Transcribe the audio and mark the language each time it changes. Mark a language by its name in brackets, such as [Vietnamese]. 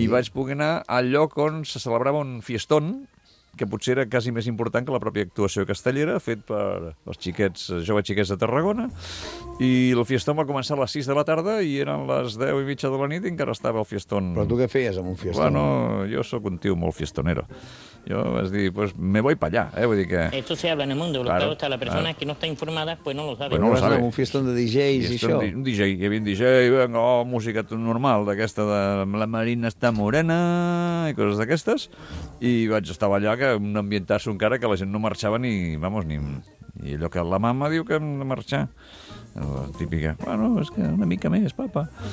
[Catalan] I vaig poder anar al lloc on se celebrava un fiestón, que potser era quasi més important que la pròpia actuació castellera, fet per els xiquets, joves xiquets de Tarragona. I el fiestón va començar a les 6 de la tarda i eren les 10 i mitja de la nit i encara estava el fiestón. Però tu què feies amb un fiestón? Bueno, jo sóc un tio molt fiestonero. Jo vaig dir, [Spanish] pues me voy pa allá. [Catalan] Vull dir que... [Spanish] Esto se habla en el mundo, claro, pero la persona claro. Que no está informada pues no lo sabe. Pues no lo sabe. [Catalan] Un fiestón de DJs fiestón, i això. Un DJ, hi havia un DJ, venga, oh, música normal d'aquesta de la Marina està morena i coses d'aquestes. I vaig estar allà que un ambientasso encara que la gent no marxava ni, vamos, ni... I allò que la mama diu que hem de marxar. La típica, bueno, és que una mica més, papa.